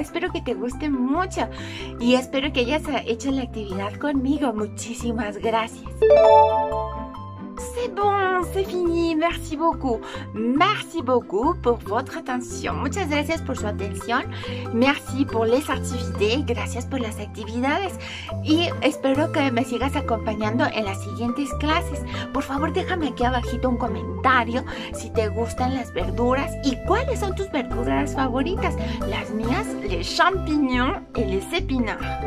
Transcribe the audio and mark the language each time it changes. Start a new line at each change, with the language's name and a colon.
Spanish: Espero que te guste mucho. Y espero que hayas hecho la actividad conmigo. Muchísimas gracias.
French: C'est bon, c'est fini. Merci beaucoup pour votre attention.
Spanish: Muchas gracias por su atención.
French: Merci pour les activités.
Spanish: Gracias por las actividades. Y espero que me sigas acompañando en las siguientes clases. Por favor, déjame aquí abajito un comentario si te gustan las verduras y cuáles son tus verduras favoritas. Las mías,
French: les champignons y les épinards.